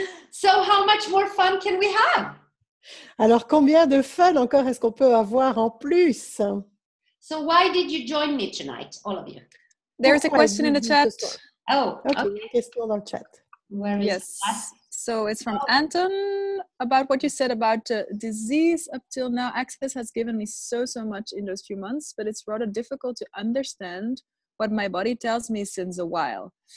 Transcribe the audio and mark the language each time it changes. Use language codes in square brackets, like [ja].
[en] So how much more fun can we have? [fr] Alors combien de fun encore est-ce qu'on peut avoir en plus? [en] So why did you join me tonight, all of you? There is a question in the chat. Oh, okay. [fr] Question dans le chat. [en] Where is yes. that? So it's from Anton about what you said about disease. Up till now, access has given me so much in those few months, but it's rather difficult to understand what my body tells me since a while.